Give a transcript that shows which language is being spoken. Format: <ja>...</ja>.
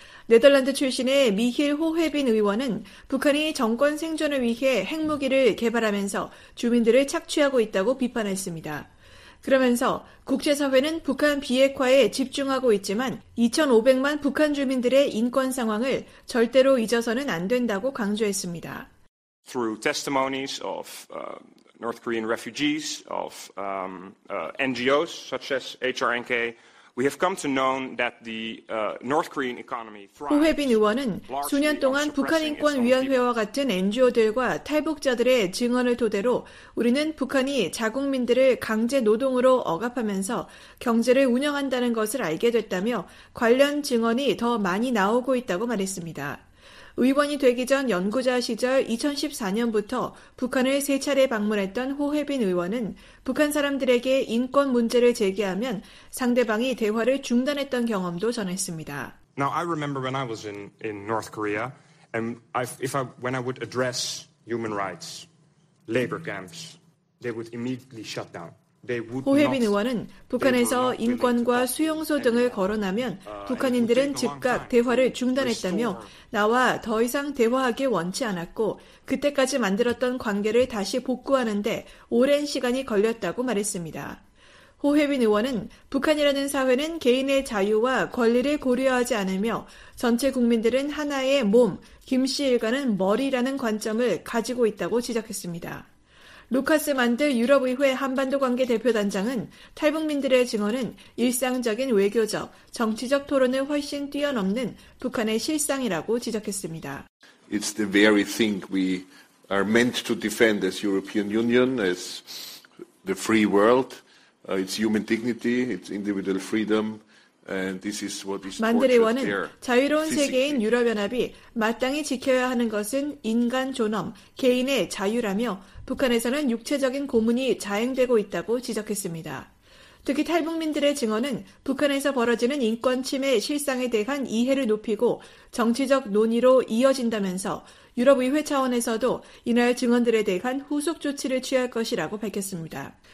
<ko>네덜란드 출신의 미힐 호회빈 의원은 북한이 정권 생존을 위해 핵무기를 개발하면서 주민들을 착취하고 있다고 비판했습니다. 그러면서 국제사회는 북한 비핵화에 집중하고 있지만 2,500만 북한 주민들의 인권 상황을 절대로 잊어서는 안 된다고 강조했습니다.</ko> <en>Through testimonies of North Korean refugees, of NGOs such as HRNK, we have come to know that the North Korean economy thrives.</en> <ko>후회빈 의원은 수년 동안 북한 인권 위원회와 같은 NGO들과 탈북자들의 증언을 토대로 우리는 북한이 자국민들을 강제 노동으로 억압하면서 경제를 운영한다는 것을 알게 됐다며 관련 증언이 더 많이 나오고 있다고 말했습니다. 의원이 되기 전 연구자 시절 2014년부터 북한을 세 차례 방문했던 호혜빈 의원은 북한 사람들에게 인권 문제를 제기하면 상대방이 대화를 중단했던 경험도 전했습니다.</ko> <en>Now I remember when I was in North Korea and when I would address human rights, labor camps, they would immediately shut down.</en> <ko>호혜빈 의원은 북한에서 인권과 수용소 등을 거론하면 북한인들은 즉각 대화를 중단했다며 나와 더 이상 대화하기 원치 않았고 그때까지 만들었던 관계를 다시 복구하는데 오랜 시간이 걸렸다고 말했습니다. 호혜빈 의원은 북한이라는 사회는 개인의 자유와 권리를 고려하지 않으며 전체 국민들은 하나의 몸, 김 씨 일가는 머리라는 관점을 가지고 있다고 지적했습니다. 루카스 만드 유럽의회 한반도관계대표단장은 탈북민들의 증언은 일상적인 외교적, 정치적 토론을 훨씬 뛰어넘는 북한의 실상이라고 지적했습니다.</ko> <en>It's the very thing we are meant to defend as European Union, as the free world, its human dignity, its individual freedom. And this is what is</en> <ko>만드 의원은 자유로운 세계인 유럽연합이 마땅히 지켜야 하는 것은 인간 존엄, 개인의 자유라며 북한에서는 육체적인 고문이 자행되고 있다고 지적했습니다. 특히 탈북민들의 증언은 북한에서 벌어지는 인권 침해 실상에 대한 이해를 높이고 정치적 논의로 이어진다면서 유럽의회 차원에서도 이날 증언들에 대한 후속 조치를 취할 것이라고 밝혔습니다.</ko>